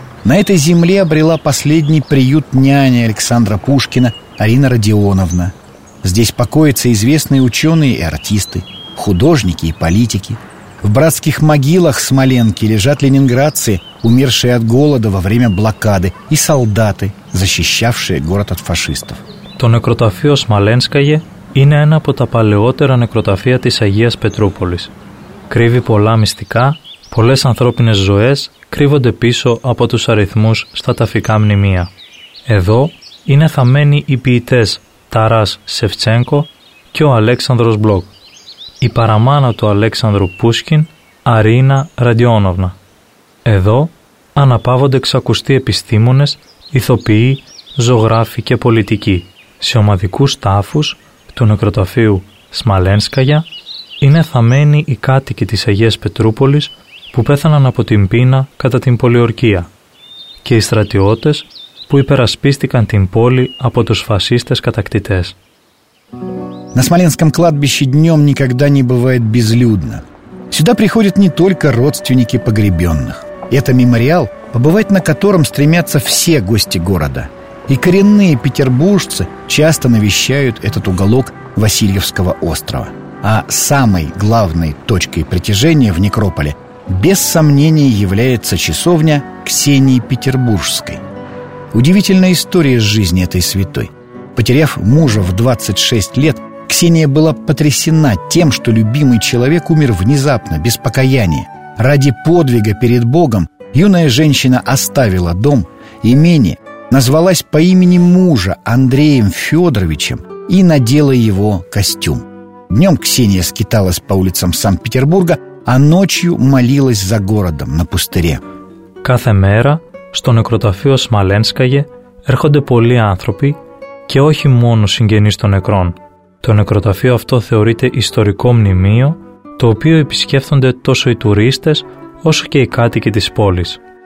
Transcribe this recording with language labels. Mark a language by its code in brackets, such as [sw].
[ru] На этой земле обрела последний приют няня Александра Пушкина Арина Родионовна. Здесь покоятся известные ученые и артисты, художники и политики. В братских могилах Смоленки лежат ленинградцы, умершие от голода во время блокады, и солдаты, защищавшие город от фашистов. [el] То некротафείο Смоленское είναι ένα από τα παλαιότερα νεκροταφεία της Αγίας Πετρούπολης. Κρύβει πολλά μυστικά, πολλές ανθρώπινες ζωές κρύβονται πίσω από τους αριθμούς στα ταφικά μνημεία. Εδώ είναι θαμμένοι οι ποιητές Ταράς Σεφτσένκο και ο Αλέξανδρος Μπλοκ. Η παραμάνα του Αλέξανδρου Πούσκιν, Αρίνα Ραντιόνοβνα. Εδώ αναπαύονται ξακουστοί επιστήμονες, ηθοποιοί, ζωγράφοι και πολιτικοί. Σε ομαδικούς τάφους του νεκροταφείου Σμαλένσκαγια είναι θαμμένοι οι κάτοικοι της Αγίας Πετρούπολης που πέθαναν από την πείνα κατά την πολιορκία και οι στρατιώτες που υπερασπίστηκαν την πόλη από τους φασίστες κατακτητές. [ru] На Смоленском кладбище днем никогда не бывает безлюдно. Сюда приходят не только родственники погребенных. Это мемориал, побывать на котором стремятся все гости города. И коренные петербуржцы часто навещают этот уголок Васильевского острова. А самой главной точкой притяжения в некрополе, без сомнения, является часовня Ксении Петербуржской. Удивительная история жизни этой святой. Потеряв мужа в 26 лет, Ксения была потрясена тем, что любимый человек умер внезапно, без покаяния. Ради подвига перед Богом юная женщина оставила дом, имение, назвалась по имени мужа Андреем Федоровичем и надела его костюм. Днем Ксения скиталась по улицам Санкт-Петербурга, а ночью молилась за городом на пустыре. Каждый день [el] στο νεκροταφείο Смоленское έρχονται πολλοί άνθρωποι και όχι μόνο συγγενείς των νεκρών. Το νεκροταφείο αυτό θεωρείται ιστορικό μνημείο, το οποίο επισκέφτονται τόσο οι τουρίστες όσο και οι κάτοικοι της πόλης.